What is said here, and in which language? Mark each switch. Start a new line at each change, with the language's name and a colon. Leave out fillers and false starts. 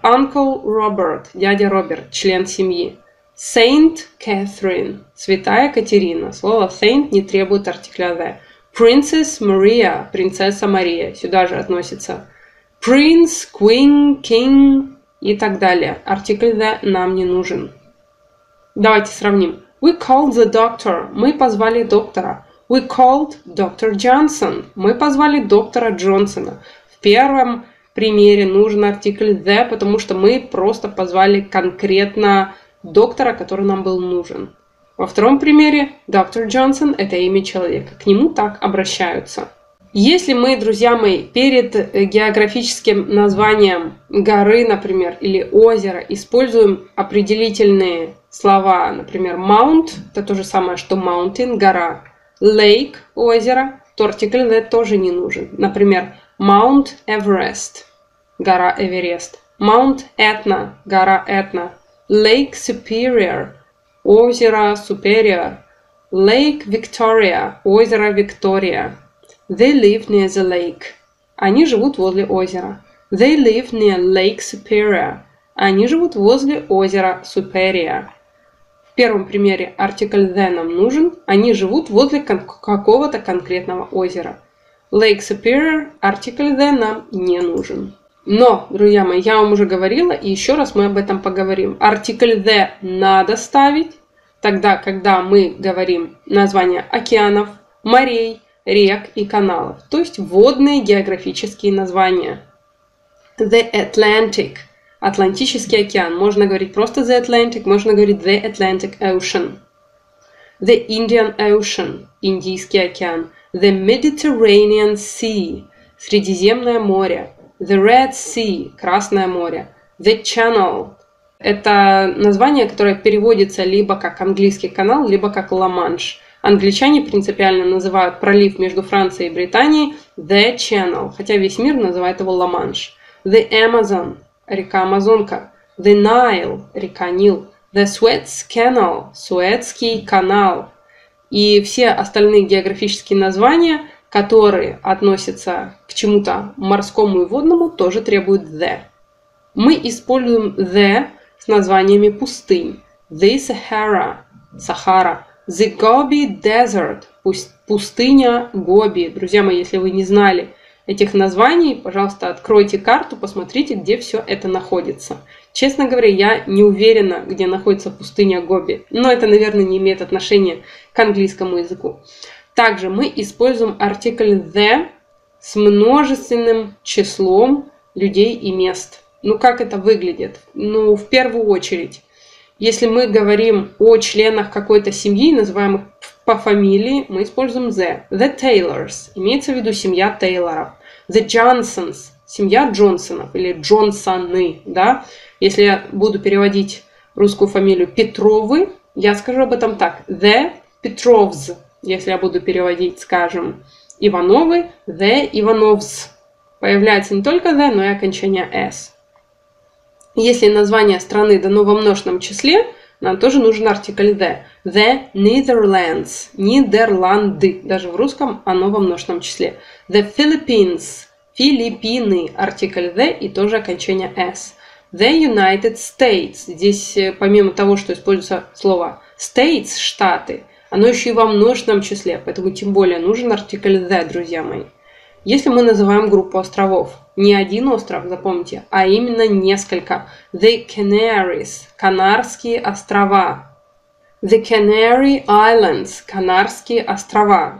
Russian: Uncle Robert, дядя Роберт, член семьи. Saint Catherine, святая Катерина. Слово saint не требует артикля the. Princess Maria, принцесса Мария, сюда же относится. Prince, queen, king и так далее. Артикль the нам не нужен. Давайте сравним.
English: We called the doctor,
Russian: мы позвали доктора.
English: We called Dr.
Russian: Johnson, мы позвали доктора Джонсона. В первом примере нужен артикль the, потому что мы просто позвали конкретно доктора, который нам был нужен. Во втором примере доктор Джонсон – это имя человека, к нему так обращаются. Если мы, друзья мои, перед географическим названием горы, например, или озера, используем определительные слова, например, mount – это то же самое, что mountain – гора, lake – озеро, то артикль that тоже не нужен. Например, mount Everest – гора Эверест, mount Этна – гора Этна, lake Superior – озеро Superior, Lake Victoria, озеро Виктория.
English: They live near the lake.
Russian: Они живут возле озера.
English: They live near Lake Superior.
Russian: Они живут возле озера Superior. В первом примере артикль the нам нужен. Они живут возле какого-то конкретного озера. Lake Superior, артикль the нам не нужен. Но, друзья мои, я вам уже говорила, и еще раз мы об этом поговорим. Артикль the надо ставить тогда, когда мы говорим названия океанов, морей, рек и каналов, то есть водные географические названия. The Atlantic – Атлантический океан. Можно говорить просто The Atlantic, можно говорить The Atlantic Ocean.
English: The Indian Ocean –
Russian: Индийский океан.
English: The Mediterranean Sea –
Russian: Средиземное море.
English: The Red Sea – Красное море.
Russian: The Channel – это название, которое переводится либо как английский канал, либо как Ла-Манш. Англичане принципиально называют пролив между Францией и Британией The Channel, хотя весь мир называет его Ла-Манш. The Amazon – река Амазонка. The Nile – река Нил.
English: The Suez Canal – Суэцкий канал.
Russian: И все остальные географические названия, которые относятся к чему-то морскому и водному, тоже требуют the. Мы используем the с названиями пустынь.
English: The Sahara – Сахара. The Gobi Desert – пустыня Гоби.
Russian: Друзья мои, если вы не знали этих названий, пожалуйста, откройте карту, посмотрите, где все это находится. Честно говоря, я не уверена, где находится пустыня Гоби. Но это, наверное, не имеет отношения к английскому языку. Также мы используем артикль the с множественным числом людей и мест. Ну, как это выглядит? Ну, в первую очередь, если мы говорим о членах какой-то семьи, называем их по фамилии, мы используем the. The Taylors – имеется в виду семья Тейлоров. The Johnsons – семья Джонсонов или Джонсоны, да? Если я буду переводить русскую фамилию Петровы, я скажу об этом так.
English: The Petrovs.
Russian: Если я буду переводить, скажем, Ивановы – the Ivanovs. Появляется не только the, но и окончание s. Если название страны дано во множественном числе, нам тоже нужен артикль the.
English: The Netherlands – Нидерланды.
Russian: Даже в русском оно во множественном числе.
English: The Philippines – Филиппины.
Russian: Артикль the и тоже окончание s.
English: The United States.
Russian: Здесь помимо того, что используется слово states – штаты, оно еще и во множественном числе. Поэтому тем более нужен артикль the, друзья мои. Если мы называем группу островов, не один остров, запомните, а именно несколько. The Canaries – Канарские острова.
English: The Canary Islands, Канарские острова.